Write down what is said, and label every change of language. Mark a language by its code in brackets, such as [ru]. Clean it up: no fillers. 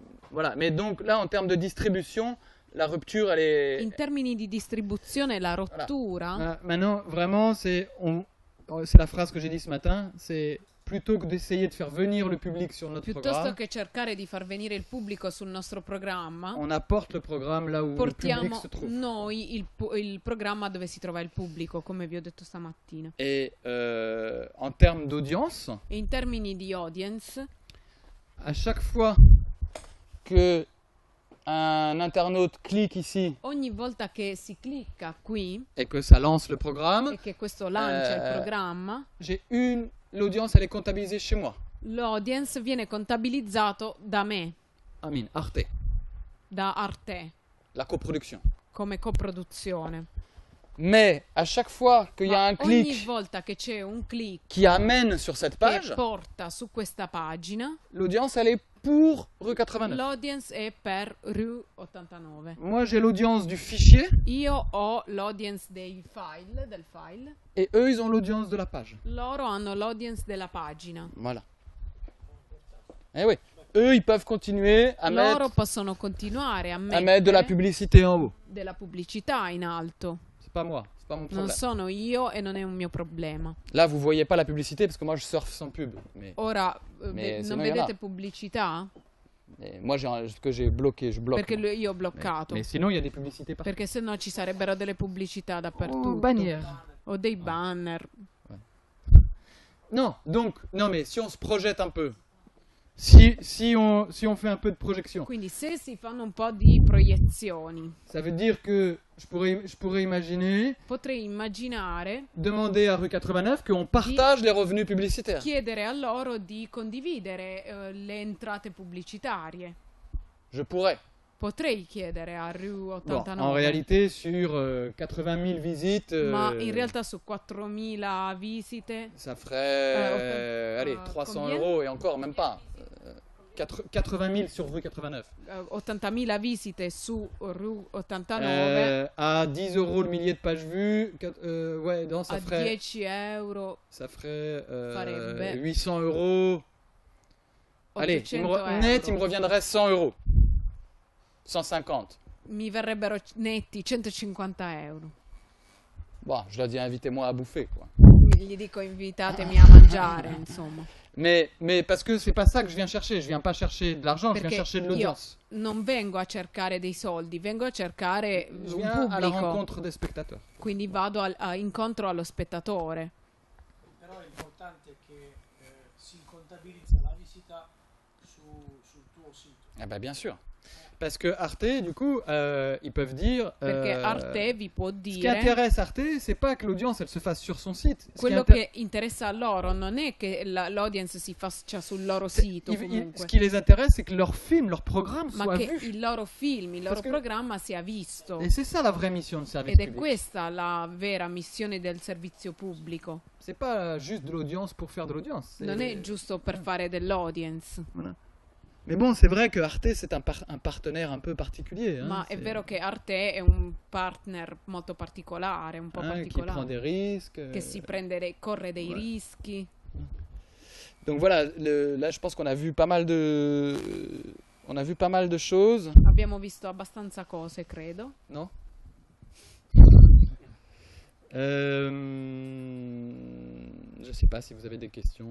[fr] Voilà, mais donc là, en termes de distribution, la rupture, elle est. [it] In termini di distribuzione, la rottura. [fr] Voilà. Maintenant, vraiment, c'est la phrase que j'ai dit ce matin. C'est plutôt que d'essayer de faire venir le public sur notre [it] piuttosto [fr] programme. [it] Piuttosto che cercare di far venire il pubblico sul nostro programma. [fr] On apporte le programme là où le public se trouve. [it] Portiamo noi il programma dove si trova il pubblico, come vi ho detto stamattina. [fr] Et en termes d'audience. [it] E in termini di audience. [fr] À chaque fois que un internaute clique ici. [it] Ogni volta che si clicca qui. [fr] Et que ça lance le programme. [it] E che questo lancia il programma. [fr] J'ai une l'audience elle est comptabilisée chez moi. [it] L'audience viene contabilizzato da me. [fr] Amin, Arte. [it] Da Arte. [fr] La coproduction. [it] Come coproduzione. [fr] Mais à chaque fois qu'il y a un clic. [it] Ogni volta che c'è un clic. [fr] Qui amène sur cette page. [it] Che porta su questa pagina. [fr] L'audience elle est pour rue 89. [it] L'audience è per rue 89. [fr] Moi j'ai l'audience du fichier. [it] Io ho l'audience dei file, del file. [fr] Et eux ils ont l'audience de la page. [it] Loro hanno l'audience della pagina. [fr] Voilà. Eh oui. Eux ils peuvent continuer à [it] loro [fr] mettre. [it] Loro possono continuare a mettere. [fr] À mettre de la publicité en haut. [it] Della pubblicità in alto. [fr] c'est pas moi, c'est pas mon problème. [it] Non sono io e non è un mio problema. [fr] Là, vous voyez pas [it] la pubblicità perché [fr] moi je surfe sans pub. Mais, [it] ora, mais non vedete pubblicità? [fr] Et moi, ce que j'ai bloqué, je bloque. [it] Perché io ho bloccato. [fr] Mais sinon, il y a des pubblicità partout. [it] Perché sennò ci sarebbero delle pubblicità dappertutto. [fr] Un banner. [it] O dei banner. [fr] Non, donc, non, mais si on se projette un peu, si on fait un peu de projection. [it] Quindi se si fanno un po' di proiezioni. [fr] Ça veut dire que je pourrais imaginer. [it] Potrei immaginare. [fr] Demander à rue 89 qu'on partage les revenus publicitaires. [it] Chiedere a loro di condividere le entrate pubblicitarie. [fr] Je pourrais. [it] Potrei chiedere a rue 89. [fr] Bon, en réalité, sur 80 000 visites. [it] Ma in realtà su 4000 visite. [fr] Ça ferait. Allez, 300 euros et encore, même pas. 80 000 sur rue 89. [it] 80 000 visite su rue 89. [fr] À 10 euros le millier de pages vues. Ouais, non, ça à ferait. 10 euros. Ça ferait. 800 euros. Allez, net, il me reviendrait 100 euros. 150. [it] Mi verrebbero netti 150 euro. [fr] Bon, je leur dis invitez-moi à bouffer, quoi. [it] Gli dico invitatemi a mangiare, insomma. [fr] Mais parce que c'est pas ça que je viens chercher. Je viens pas chercher de l'argent, [it] perché [fr] je viens chercher de l'audience. [it] Non vengo a cercare dei soldi, vengo a cercare [fr] je un viens [it] pubblico. [fr] À la rencontre des spectateurs. [it] Quindi vado a incontro allo spettatore. Però l'importante è che si contabilizza la visita sul tuo sito. [fr] Eh ben, bien sûr. Parce que Arte, du coup, ils peuvent dire. [it] Arte vi può dire. [fr] Ce qui intéresse Arte, c'est pas que l'audience elle se fasse sur son site. [it] Quello che interessa a loro non è che l'audience si faccia sul loro sito. [fr] Ce qui les intéresse, c'est que leur film, leur programme soit vu. [it] Ma che il loro film, il loro programma sia visto. [fr] Et c'est ça la vraie mission de service public. [it] Ed è questa la vera missione del servizio pubblico. [fr] C'est pas juste de l'audience pour faire de l'audience. [it] Non è giusto per fare dell'audience. [fr] Mais bon, c'est vrai que Arte c'est un partenaire un peu particulier. Hein. Mais c'est vrai que Arte est un partner [it] molto particolare, un po' particolare. [fr] Qui prend des risques. [it] Che si prende dei corre dei rischi. [fr] Donc voilà, là je pense qu'on a vu pas mal de, on a vu pas mal de choses. [it] Abbiamo visto abbastanza cose, credo. [fr] Non. Je sais pas si vous avez des questions.